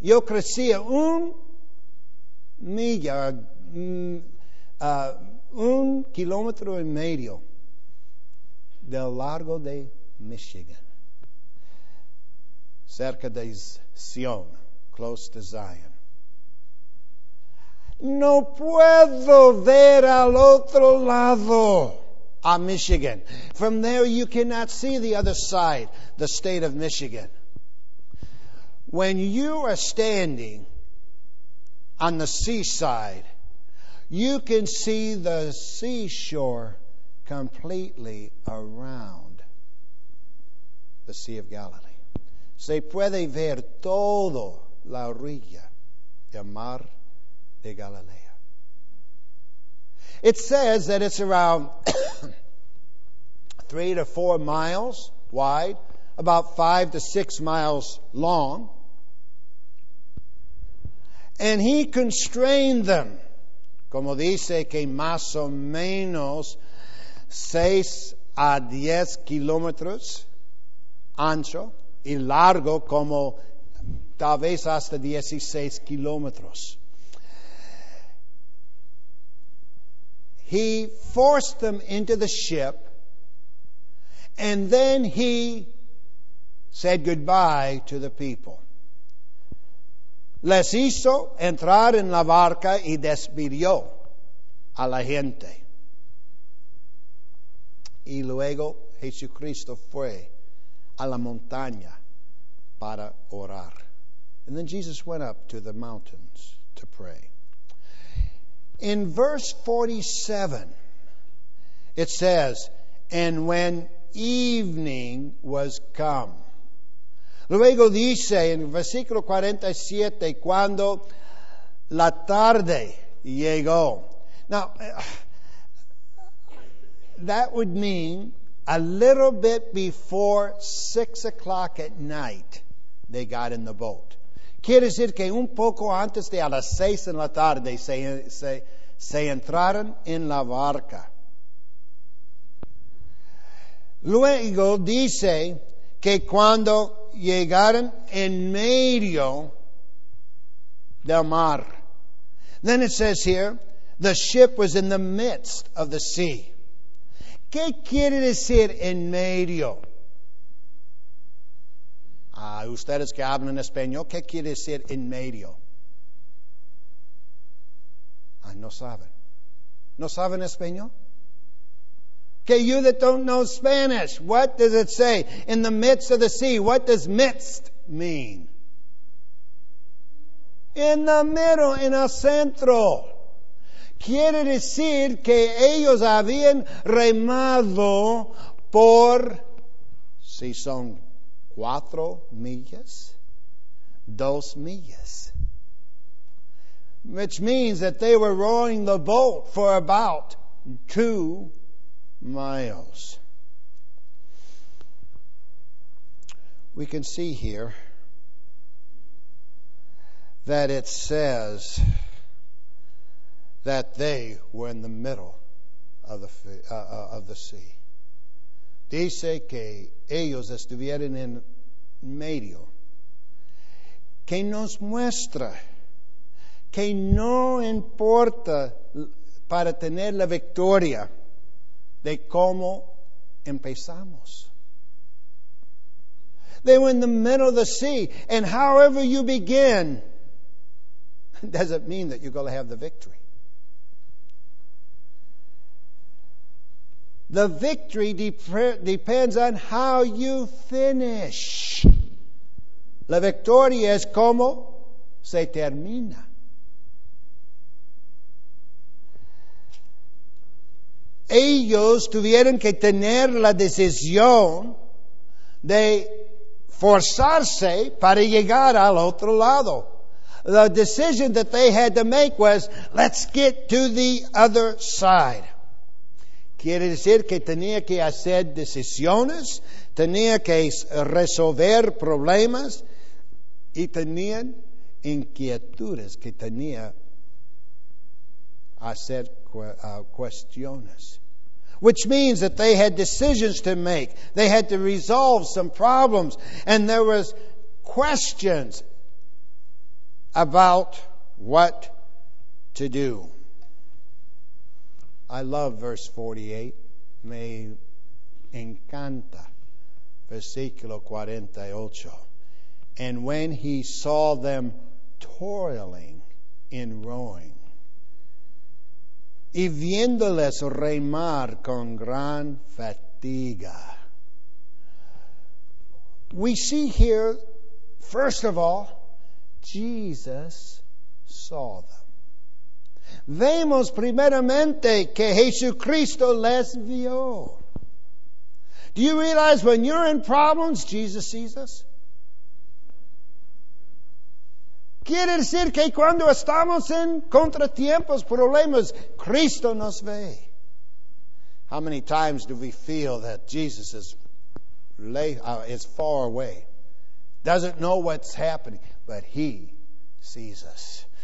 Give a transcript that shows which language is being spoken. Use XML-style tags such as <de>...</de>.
<es>Yo crecí a un kilómetro y medio del largo de Michigan. Cerca de Sion,</es> <en>close to Zion.</en> <es>No puedo ver al otro lado a Michigan.</es> <en>From there, you cannot see the other side, the state of Michigan. When you are standing on the seaside, you can see the seashore completely around the Sea of Galilee.</en> <es>Se puede ver todo la orilla del mar de Galilea.</es> <en>It says that it's around 3 to 4 miles wide, about 5 to 6 miles long. And he constrained them,</en> <es>como dice que más o menos 6 a 10 kilómetros ancho, y largo como tal vez hasta 16 kilómetros.</es> <en>He forced them into the ship, and then he said goodbye to the people.</en> <es>Les hizo entrar en la barca y despidió a la gente. Y luego Jesucristo fue a la montaña para orar.</es> <en>And then Jesus went up to the mountains to pray. In verse 47, it says, and when evening was come.</en> <es>Luego dice, en versículo 47, cuando la tarde llegó.</es> <en>Now, that would mean a little bit before 6 o'clock at night, they got in the boat.</en> <es>Quiere decir que un poco antes de a las 6 de la tarde se entraron en la barca. Luego dice que cuando llegaron en medio del mar.</es> <en>Then it says here, the ship was in the midst of the sea.</en> <es>¿Qué quiere decir en medio? Ustedes que hablan en español, ¿qué quiere decir en medio? No saben. ¿No saben español?</es> <en>Okay, you that don't know Spanish, what does it say? In the midst of the sea, what does midst mean?</en> <es>En la middle, en el centro. Quiere decir que ellos habían remado por, si son 4 millas, 2 millas.</es> <en>Which means that they were rowing the boat for about 2 miles. We can see here that it says that they were in the middle of the sea.</en> <es>Dice que ellos estuvieron en medio. Que nos muestra que no importa para tener la victoria de cómo empezamos.</es> <en>They were in the middle of the sea, and however you begin doesn't mean that you're going to have the victory. The victory depends on how you finish.</en> <es>La victoria es como se termina. Ellos tuvieron que tener la decisión de forzarse para llegar al otro lado.</es> <en>The decision that they had to make was, let's get to the other side.</en> <es>Quiere decir que tenía que hacer decisiones, tenía que resolver problemas, y tenían inquietudes que tenía hacer cuestiones.</es> <en>Which means that they had decisions to make. They had to resolve some problems. And there was questions about what to do. I love verse 48.</en> <es>Me encanta. Versículo 48.</es> <en>And when he saw them toiling in rowing,</en> <es>y viéndoles remar con gran fatiga.</es> <en>We see here, first of all, Jesus saw them.</en> <es>Vemos primeramente que Jesucristo les vio.</es> <en>Do you realize when you're in problems, Jesus sees us?</en> <es>Quiere decir que cuando estamos en contratiempos, problemas, Cristo nos ve.</es> <en>How many times do we feel that Jesus is far away? Doesn't know what's happening, but he sees us.</en>